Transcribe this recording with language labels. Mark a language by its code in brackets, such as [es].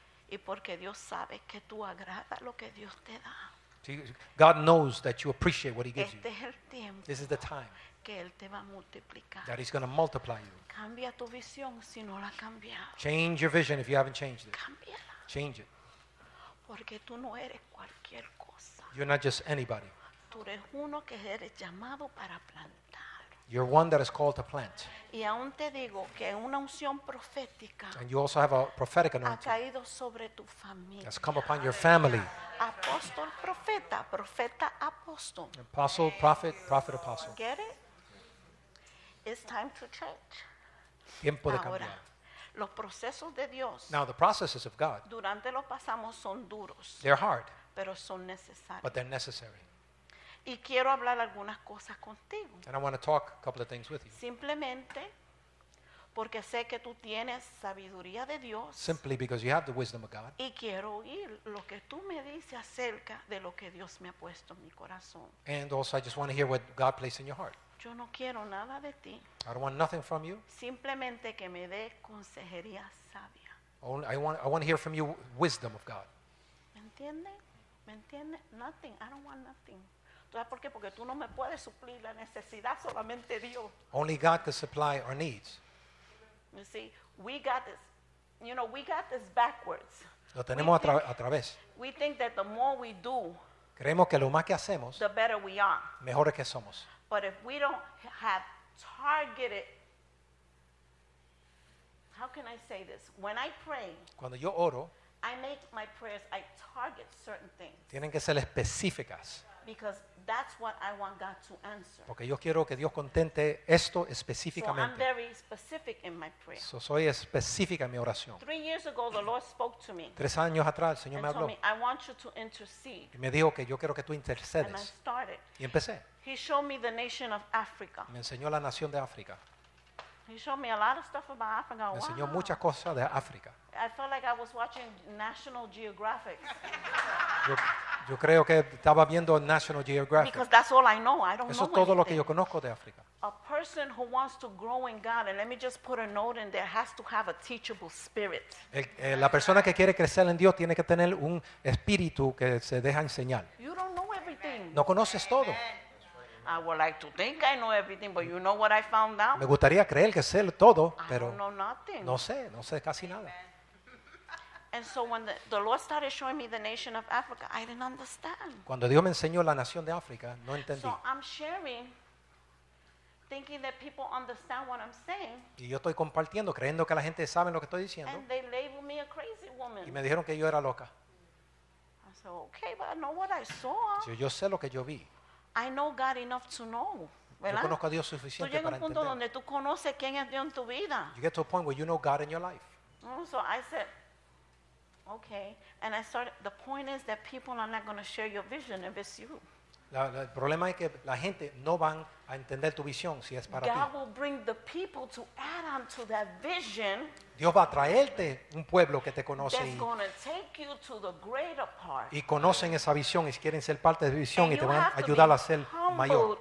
[es] Y porque Dios sabe que tú agradas lo que Dios te da. [en] God knows that you appreciate what he gives you. [es] Este es el tiempo. [en] This is the time. [es] Que él te va a multiplicar. [en] That he's going to multiply you. [es] Cambia tu visión si no la has cambiado. [en] Change your vision if you haven't changed it. [es] Cámbiala. [en] Change it. [es] Porque tú no eres cualquier cosa. [en] You're not just anybody. [es] Tú eres uno que eres llamado para plantar. [en] You're one that is called to plant. [es] Y aún te digo que una unción profética. [en] And you also have a prophetic anointing. [es] Ha caído sobre tu familia. [en] Has come upon your family. [es] Apóstol, profeta, profeta, apóstol. [en] Apostle, prophet, prophet, apostle. Get it? It's time to change. [es] Tiempo de cambiar. Los procesos de Dios. [en] Now the processes of God. [es] Durante los pasamos son duros. [en] They're hard. [es] Pero son necesarios. [en] But they're necessary. [es] Y quiero hablar algunas cosas contigo. [en] And I want to talk a couple of things with you. [es] Simplemente porque sé que tú tienes sabiduría de Dios. [en] Simply because you have the wisdom of God. [es] Y quiero oír lo que tú me dices acerca de lo que Dios me ha puesto en mi corazón. [en] And also I just want to hear what God placed in your heart. [es] Yo no quiero nada de ti. [en] I don't want nothing from you. [es] Simplemente que me dé consejería sabia. [en] Only, I want to hear from you wisdom of God. [es] ¿Me entiende? ¿Me entiende? [en] Nothing. I don't want nothing. [es] ¿Tú sabes por qué? Porque tú no me puedes suplir la necesidad, solamente Dios. [en] Only God can supply our needs. You see, we got this. You know, we got this backwards. [es] Lo tenemos a través. [en] We think that the more we do, [es] creemos que lo más que hacemos, [en] the better we are. [es] Mejores que somos. [en] But if we don't have targeted, how can I say this? When I pray, [es] cuando yo oro, [en] I make my prayers, I target certain things. [es] Tienen que ser específicas. [en] Because that's what I want God to answer. [es] Porque yo quiero que Dios contente esto específicamente. [en] So I'm very specific in my prayer. [es] So soy específica en mi oración. [en] 3 years ago, the Lord spoke to me. [es] 3 años atrás, el Señor me habló. [en] And told me, I want you to intercede. [es] Y me dijo que yo quiero que tú intercedes. [en] And I started. [es] Y empecé. [en] He showed me the nation of Africa. [es] Me enseñó la nación de África. [en] He showed me a lot of stuff about Africa. [es] Me enseñó wow. muchas cosas de África. [en] I felt like I was watching National Geographic. [es] Yo creo que estaba viendo National Geographic. [en] Because that's all I know. I don't [es] Eso [en] know [es] todo [en] anything. [es] Lo que yo conozco de África. [en] A person who wants to grow in God, and let me just put a note in there, has to have a teachable spirit. [es] La persona que quiere crecer en Dios tiene que tener un espíritu que se deja enseñar. [en] You don't know everything. [es] No conoces Amen. Todo. [en] I would like to think I know everything, but you know what I found out? [es] Me gustaría creer que sé todo, pero [en] I don't know nothing. [es] No sé casi nada. [en] Amen. And so when the Lord started showing me the nation of Africa, I didn't understand. [es] Cuando Dios me enseñó la nación de África, no entendí. [en] So I'm sharing, thinking that people understand what I'm saying. [es] Y yo estoy compartiendo, creyendo que la gente sabe lo que estoy diciendo. [en] And they labeled me a crazy woman. [es] Y me dijeron que yo era loca. [en] I said, okay, but I know what I saw. [es] Yo sé lo que yo vi. [en] I know God enough to know. [es] ¿Verdad? Yo conozco a Dios suficiente para entender. Tú llegas a un punto donde tú conoces quién es Dios en tu vida. [en] You get to a point where you know God in your life. So I said, Okay, and I started. The point is that people are not going to share your vision if it's you. [es] El problema es que la gente no van a entender tu visión si es para [en] God [es] ti. [en] God will bring the people to add on to that vision. [es] Dios va a traerte un pueblo que te conoce [en] that's going to take you to the greater part. [es] Y conocen esa visión y quieren ser parte de la visión [en] and [es] y te van a ayudar a ser mayor.